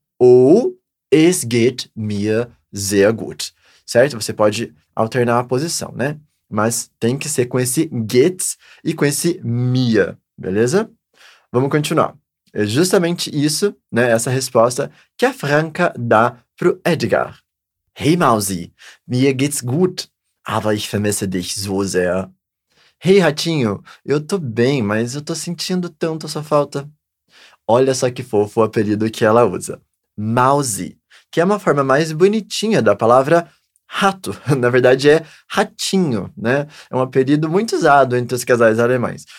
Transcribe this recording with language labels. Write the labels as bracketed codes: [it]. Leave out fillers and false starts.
[de] ou es geht mir sehr gut. Certo? [pt] Você pode alternar a posição, né? Mas tem que ser com esse geht e com esse mir, beleza? Vamos continuar. É justamente isso, né? Essa resposta que a Franca dá pro Edgar. [de] Hey Mausi, mir geht's gut, aber ich vermisse dich so sehr. [pt] Hey Ratinho, eu tô bem, mas eu tô sentindo tanto a sua falta. Olha só que fofo o apelido que ela usa. Mausi, que é uma forma mais bonitinha da palavra rato. Na verdade, é ratinho, né? É um apelido muito usado entre os casais alemães.